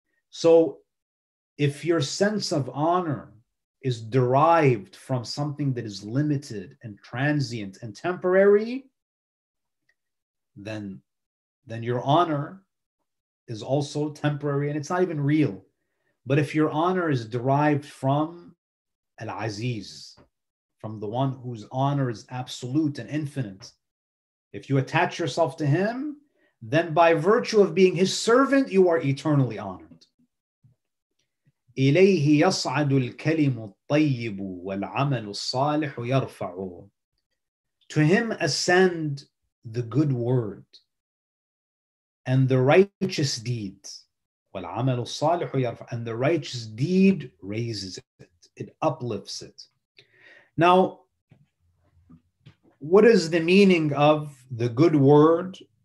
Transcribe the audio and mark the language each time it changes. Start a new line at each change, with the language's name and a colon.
English: So if your sense of honor is derived from something that is limited and transient and temporary, then your honor is also temporary and it's not even real. But if your honor is derived from Al-Aziz, from the one whose honor is absolute and infinite, if you attach yourself to him, then by virtue of being his servant, you are eternally honored.
Arabic: إليه يصعد الكلم الطيب والعمل الصالح يرفعه.
English: To him ascend the good word and the righteous deed.
Arabic: والعمل الصالح يرفع.
English: And the righteous deed raises it. It uplifts it. Now, what is the meaning of the good word?